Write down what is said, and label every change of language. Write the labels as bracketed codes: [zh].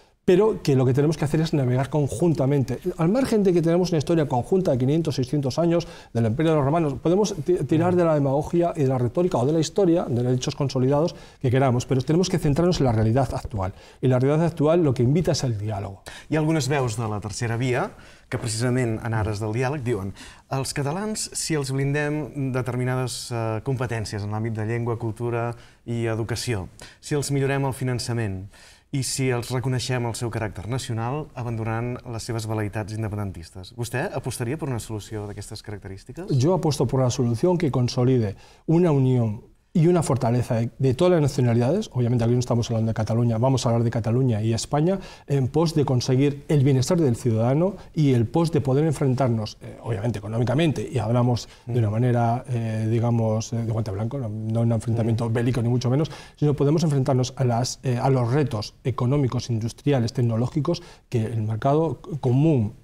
[es] Pero que lo que tenemos que hacer es navegar conjuntamente. Al margen de que tenemos una historia conjunta de 500, 600 años del Imperio de los Romanos, podemos tirar de la demagogia y de la retórica o de la historia, de los hechos consolidados que queramos, pero tenemos que centrarnos en la realidad actual. Y la realidad actual lo que invita es el diálogo. [ca] Hi ha algunes veus de la tercera via que precisament en ares del diàleg diuen els catalans, si els blindem determinades competències en l'àmbit de llengua, cultura i educació, si els millorem el finançament, i si els reconeixem el seu caràcter nacional, abandonant les seves veleïtats independentistes. Vostè apostaria per una solució d'aquestes característiques? Jo aposto per una solució [es] que consolide una unió y una fortaleza de todas las nacionalidades, obviamente aquí no estamos hablando de Cataluña, vamos a hablar de Cataluña y España, en pos de conseguir el bienestar del ciudadano y el pos de poder enfrentarnos, obviamente económicamente, y hablamos de una manera, digamos, de guante blanco, no un enfrentamiento bélico ni mucho menos, sino podemos enfrentarnos a los retos económicos, industriales, tecnológicos que el mercado común